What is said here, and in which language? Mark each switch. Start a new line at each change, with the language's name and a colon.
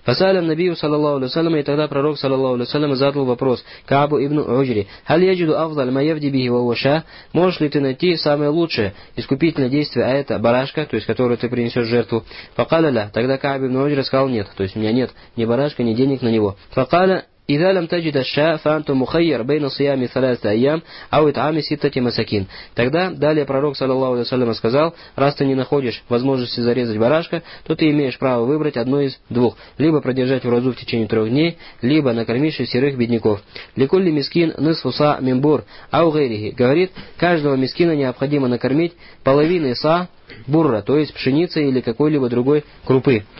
Arabic: Фасалям набию саллаллаху алейхи ва саллям,
Russian: и тогда пророк саллаллаху алейхи ва саллям задал вопрос Каабу ибну Уджри.
Arabic: Хал яджиду афдаль ма яфди бихи ва ху ша.
Russian: Можешь ли ты найти самое лучшее искупительное действие, а это барашка, то есть которую ты принесешь жертву.
Arabic: Факаля ля.
Russian: Тогда Кааб ибн Уджра сказал нет, то есть у меня нет ни барашка, ни денег на него.
Arabic: Факаля إذا لم تجد الشاء فأنت مخير بين صيام ثلاثة أيام أو إطعام ستة مساكين.
Russian: Тогда далее пророк саллаллаху алейхи ва саллям сказал: раз ты не находишь возможности зарезать барашка, то ты имеешь право выбрать одно из двух: либо продержать в разу в течение трех дней, либо накормить шестерых бедняков.
Arabic: Ликулли мискин нисфу са мин бур ау гайрихи.
Russian: Говорит, каждого мискина необходимо накормить половиной са бурра, то есть пшеницы или какой-либо другой крупы.